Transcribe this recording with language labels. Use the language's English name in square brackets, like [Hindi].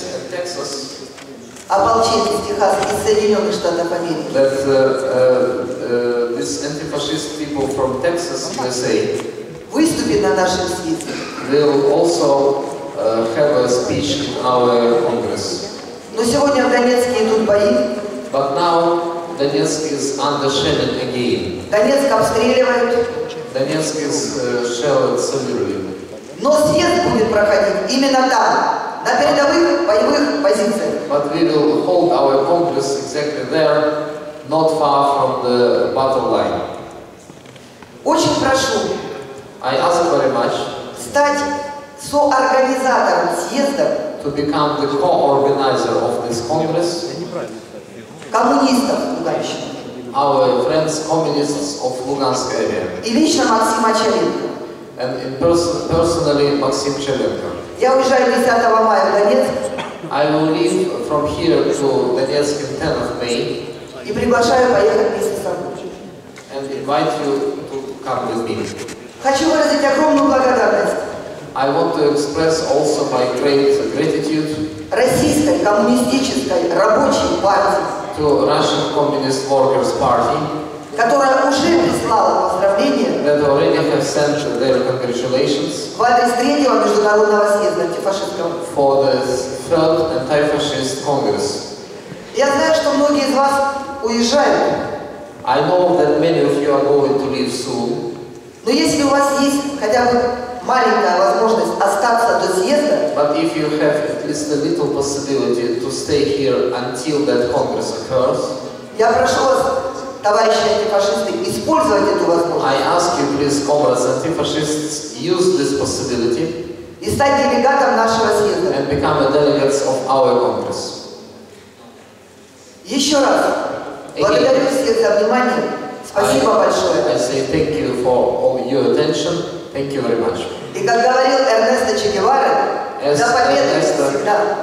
[Russian] Ополченец Техас из Соединенных Штатов Америки. [English] That this anti-fascist people from Texas, USA, [Russian] выступит на нашем съезде. [English] Will also have a speech in our congress. [Russian] Но сегодня в Донецке идут бои. [English] But now Donetsk is under shelling again. [Russian] Донецк обстреливают. [English] Donetsk is shelled severely. [Russian] Но съезд будет проходить именно там, на передовых боевых позициях. [English] But we will hold our congress exactly there, not far from the battle line. [Russian] Очень прошу. [English] I ask very much. [Russian] Стать соорганизатором съезда. [English] To become the co-organizer of this congress. [Russian] Коммунистов Луганщины. [English] Our friends communists of Lugansk area. [Russian] И лично Максим Очеренко. [English] And personally, Maxim Chelenko. [Russian] Я уезжаю 10 мая в Донецк. [English] I will leave from here to Donetsk on 10 of May. [Russian] И приглашаю поехать вместе с вами. [English] And invite you to come with me. [Russian] Хочу выразить огромную благодарность. [English] I want to express also my great gratitude. [Russian] Российской коммунистической рабочей партии. [English] To Russian Communist Workers Party. [Russian] Которая уже прислала поздравления. [English] That already have sent their congratulations. [Russian] В адрес третьего международного съезда антифашистского. [English] For the third anti-fascist congress. [Russian] Я знаю, что многие из вас уезжают. [English] I know that many of you are going to leave soon. [Russian] Но если у вас есть хотя бы маленькая возможность остаться до съезда. [English] But if you have at least a little possibility to stay here until that congress occurs. [Russian] Я прошу вас. Товарищи антифашисты, использовать эту возможность. [English] I ask you, please, comrades antifascists, use this possibility. [Russian] И стать делегатом нашего съезда. [English] And become a delegate of our congress. [Russian] Еще раз. [English] Again, [Russian] благодарю всех за внимание. Спасибо большое. [English] I say thank you for all your attention. Thank you very much. [Russian] И как говорил Эрнесто Че Гевара, за победу всегда.